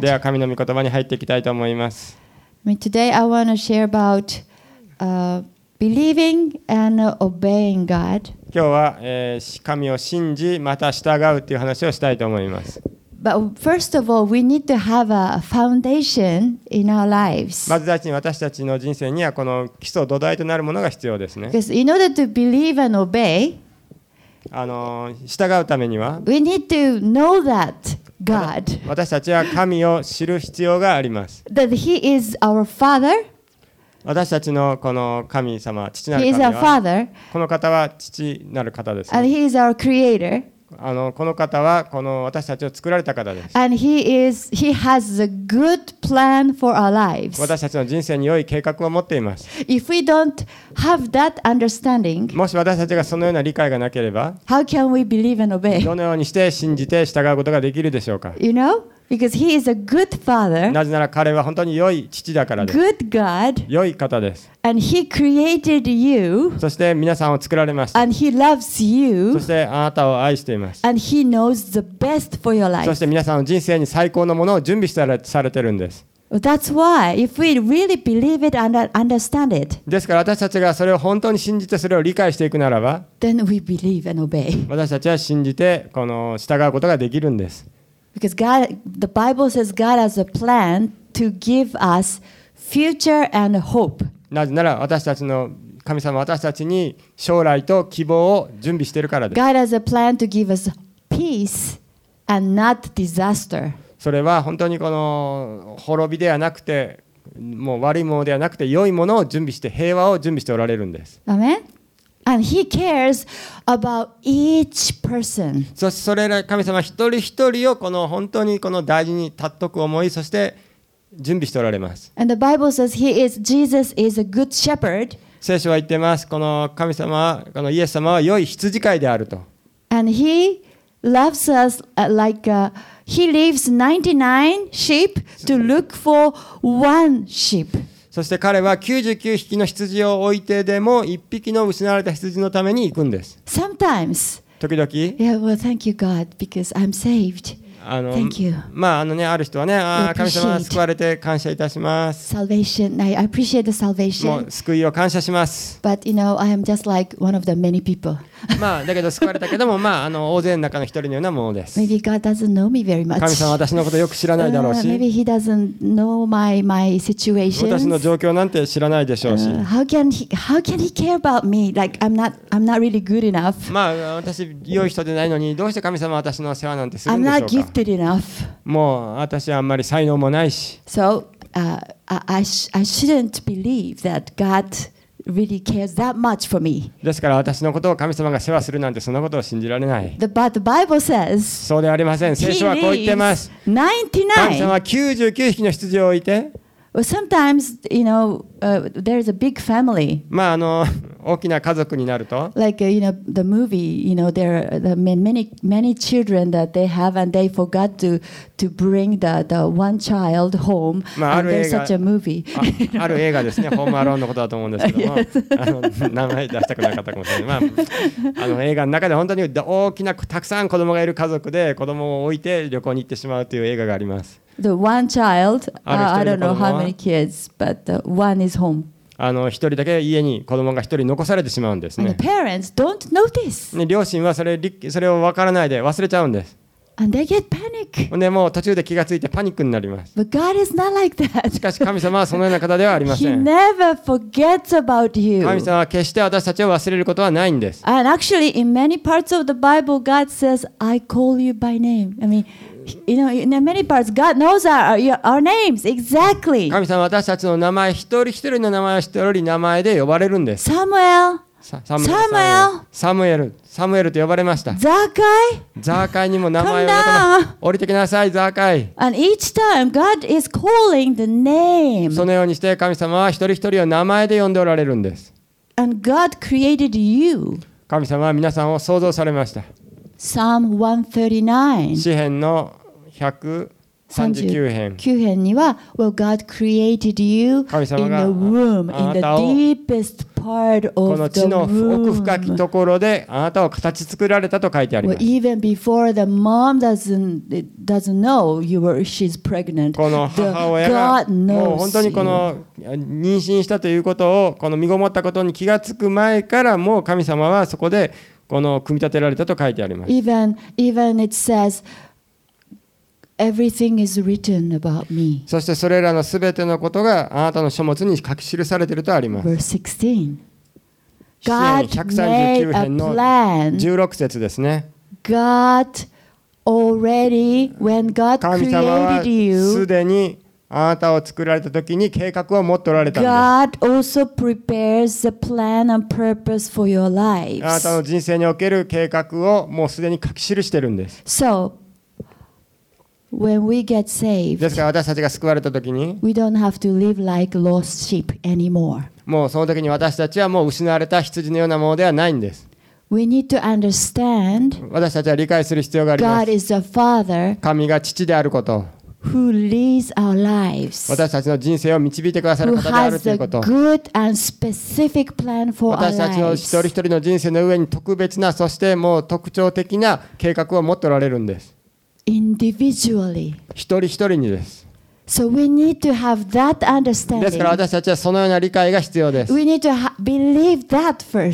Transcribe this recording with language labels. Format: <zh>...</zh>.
<ja>では神の御言葉に入っていきたいと思います。</ja> <en>Today I want to share about believing and obeying God.</en> <ja>今日は、神を信じまた従うという話をしたいと思います。</ja> <en>But first of all, we need to have a foundation in our lives.</en> <ja>まず私たちの人生にはこの基礎土台となるものが必要ですね。</ja> <en>Because in order to believe and obey,</en> <ja>従うためには、</ja> <en>we need to know that God.</en> <ja>私たちは神を知る必要があります。</ja> <en>That He is our Father.</en> <ja>私たちのこの神様、父なる神は、</ja> <en>He is our Father.</en> <ja>この方は父なる方です。</ja> <en>And He is our Creator.</en> <ja>この方はこの私たちを作られた方です。</ja> <en>And he has a good plan for our lives.</en> <ja>私たちの人生に良い計画を持っています。</ja> <en>If we don't have that understanding,</en> <ja>もし私たちがそのような理解がなければ、</ja> <en>how can we believe and obey?</en> <ja>どのようにして信じて従うことができるでしょうか。</ja> <en>You know? Because he is a good father,</en> <ja>なぜなら彼は本当に良い父だからです。</ja> <en>Good God,</en> <ja>良い方です。</ja> <en>And he created you,</en> <ja>そして皆さんを作られました。</ja> <en>And he loves you,</en> <ja>そしてあなたを愛しています。</ja> <en>And he knows the best for your life.</en> <ja>そして皆さんの人生に最高のものを準備されているんです。</ja> <en>That's why, if we really believe it and understand it,</en> <ja>ですから私たちがそれを本当に信じてそれを理解していくならば、</ja> <en>then we believe and obey.</en> <ja>私たちは信じてこの従うことができるんです。</ja> <en>Because God, the Bible says God has a plan to give us future and hope.</en> <ja>なぜなら私たちの神様は私たちに将来と希望を準備しているからです。</ja> <en>God has a plan to give us peace and not disaster.</en> <ja>それは本当にこの滅びではなくて、もう悪いものではなくて良いものを準備して平和を準備しておられるんです。</ja> <en>アメン。And he cares about each person.</en> <ja>そしてそれら神様一人一人をこの本当にこの大事に立っとく思いそして準備しておられます。</ja> <en>And the Bible says he is Jesus is a good shepherd.</en> <ja>聖書は言ってます。この神様このイエス様は良い羊飼いであると。</ja> <en>And he loves us like a, he leaves 99 sheep to look for one sheep.</en> <ja>そして彼は99匹の羊を置いてでも1匹の失われた羊のために行くんです。</ja> <en>Sometimes,</en> <ja>時々。</ja> <en>Yeah, well, thank you, God, because I'm saved. Thank you.</en> <ja>まあ、ね、ある人はね、ああ、神様、救われて感謝いたします。</ja> <en>Salvation, I appreciate the salvation.</en> <ja>もう救いを感謝します。</ja> <en>But, you know, I am just like one of the many people.</en> <ja>まあ、だけど救われたけども、まあ、大勢の中の一人のようなものです。</ja> <en>Maybe God doesn't know me very much.</en> <ja>神様は私のことをよく知らないだろうし。</ja> <en>Maybe he doesn't know my situation.</en> <ja>私の状況なんて知らないでしょうし。</ja> <en>How can he care about me? Like, I'm not really good enough.</en> <ja>まあ、私、良い人でないのに、どうして神様は私の世話なんてするんでしょうか。もう私はあんまり才能もないし。</ja> <en>So, I shouldn't believe that God really cares that much for me.</en> <ja>ですから私のことを神様が世話するなんてそんなことを信じられない。</ja> <en>But the Bible says,</en> <ja>そうではありません。聖書はこう言ってます。</ja> <en>99.</en> <ja>神様は99匹の羊を置いて。</ja> <en>Well, sometimes, you know, there is a big family.</en> <ja>まあ、大きな家族になると。</ja> <en>Like, you know, the movie, you know, there are the many children that they have and they forgot to bring the one child home.</en> <ja>まあ、</ja> <en>and there's such a movie.</en> <ja>ある映画ですね。ホームアローンのことだと思うんですけども。名前出したくなかったかもしれない。まあ、映画の中で本当に大きなたくさん子供がいる家族で子供を置いて旅行に行ってしまうという映画があります。</ja> <en>The one child, I don't know how many kids, but one is home.</en> <ja>一人だけ家に子供が一人残されてしまうんですね。</ja> <en>And the parents don't notice.</en> <ja>両親はそれを分からないで忘れちゃうんです。</ja> <en>And they get panic.</en> <ja>でも途中で気がついてパニックになります。</ja> <en>But God is not like that.</en> <ja>しかし神様はそのような方ではありません。</ja> <en>He never forgets about you.</en> <ja>神様は決して私たちを忘れることはないんです。</ja> <en>And actually, in many parts of the Bible, God says, I call you by name. I mean,You know, in many parts, God knows our names exactly.</en> <ja>神様は私たちの名前、一人一人の名前を一人一人名前で呼ばれるんです。</ja> <en>Samuel.</en> <ja>Samuel. Samuel. Samuel と呼ばれました。</ja> <en>Zakai.</en> <ja>Zakai にも名前を呼ばれました。降りてきなさい、Zakai。</ja> <en>And each time, God is calling the name.</en> <ja>そのようにして神様は一人一人を名前で呼んでおられるんです。</ja> <en>And God created you.</en> <ja>神様は皆さんを創造されました。</ja> <en>Psalm 139.</en> <ja>詩編の139編。 9編には、</ja> <en>Well, God created you in the womb, in the deepest part of</en> <ja>この地の奥深きところであなたを形作られたと書いてあります。</ja> <en>Well, even before the mom doesn't know you were she's pregnant.</en> <ja>この母親がもう本当にこの妊娠したということをこの身ごもったことに気がつく前からもう神様はそこでこの組み立てられたと書いてあります。</ja> <en>Even it says. Everything is written about me.</en> <ja>そしてそれらのすべてのことがあなたの書物に書き記されているとあります。</ja> <en>Verse 16. God made a plan.</en> <ja>16節ですね。</ja> <en>God already when God created you.</en> <ja>神様はすでにあなたを作られた時に計画を持っておられたんです。</ja> <en>God also prepares the plan and purpose for your lives.</en> <ja>あなたの人生における計画をもうすでに書き記しているんです。</ja> <en>So. When we get saved,</en> <ja>ですから私たちが救われた時に</ja> <en>we don't have to live like lost sheep anymore.</en> <ja>もうその時に私たちはもう失われた羊のようなものではないんです。</ja> <en>We need to understand</en> <ja>私たちは理解する必要があります。</ja> <en>God is the Father</en> <ja>神が父であること</ja> <en>who leads our lives.</en> <ja>私たちの人生を導いてくださる方であるということ</ja> <en>who has a good and specific plan for our lives.</en> <ja>私たちの一人一人の人生の上に特別なそしてもう特徴的な計画を持っておられるんです。</ja> <en>Individually.</en> <ja>一人一人にです。</ja> <en>So we need to have that understanding.</en> <ja>ですから私たちはそのような理解が必要です。</ja> <en>We need to believe that first.</en>